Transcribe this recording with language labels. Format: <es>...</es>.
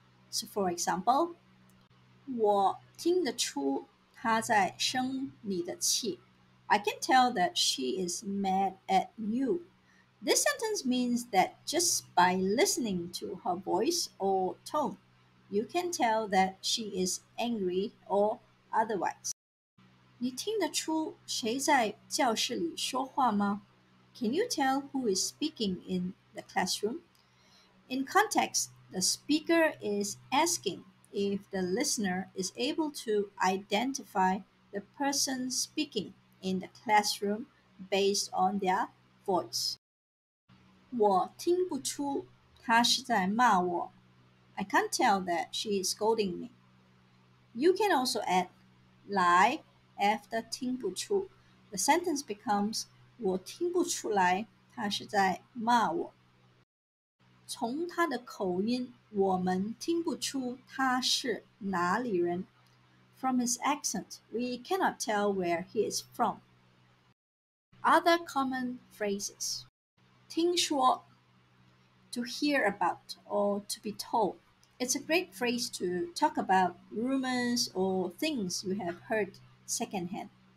<en>So, for example,</en> <zh>我听得出她在生你的气.</zh> <en>I can tell that she is mad at you. This sentence means that just by listening to her voice or tone, you can tell that she is angry or otherwise.</en> <zh>你听得出谁在教室里说话吗?</zh> <en>Can you tell who is speaking in the classroom? In context, the speaker is asking if the listener is able to identify the person speaking in the classroom based on their voice.</en> <zh>我听不出她是在骂我。</zh> <en>I can't tell that she is scolding me. You can also add 来 after 听不出. The sentence becomes</en> <zh>我听不出来她是在骂我。从她的口音我们听不出她是哪里人。</zh> <en>From his accent, we cannot tell where he is from. Other common phrases. 听说 To hear about or to be told. It's a great phrase to talk about rumors or things you have heard secondhand.</en>